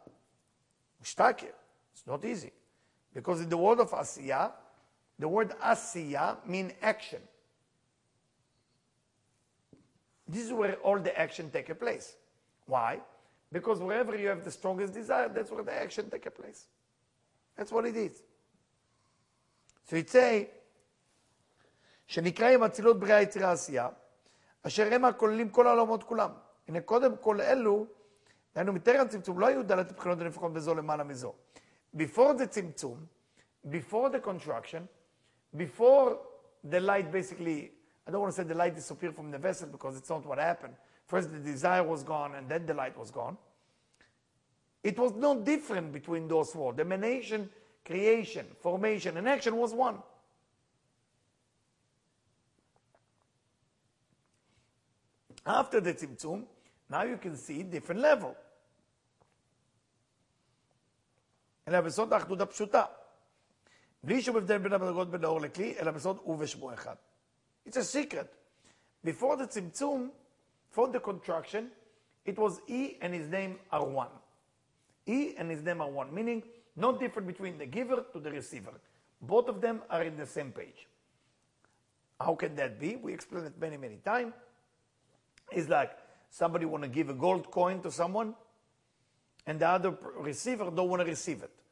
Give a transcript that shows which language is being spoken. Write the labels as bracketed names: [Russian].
[English] We're stuck here. It's not easy. Because in the world of Asiya, the word Asiya means action. This is where all the action takes place. Why? Because wherever you have the strongest desire, that's where the action takes place. That's what it is. So it says, [Hebrew] שנקראים אצילות בריאה יצירה עשייה, אשר הם הכוללים כל העולמות כולם. הנה קודם כל אלו, היינו מטרם צמצום, לא היו דלת בחינות הנפחות בזו למעלה מזו. [English] Before the צמצום, before the contraction, before the light basically I don't want to say the light disappeared from the vessel because it's not what happened. First the desire was gone and then the light was gone. It was no different between those worlds. Emanation, creation, formation, and action was one. After the Tzimtzum, now you can see different level. [Hebrew] אלא בסוד האחדות הפשוטה. בלי שום הבדל בין המדרגות בין האור לכלי, אלא בסוד ובשמו אחד. [English] It's a secret. Before the Tzimtzum, before the contraction, it was E and his name are one. E and his name are one, meaning not different between the giver to the receiver. Both of them are in the same page. How can that be? We explained it many, many times. It's like somebody want to give a gold coin to someone and the other receiver don't want to receive it.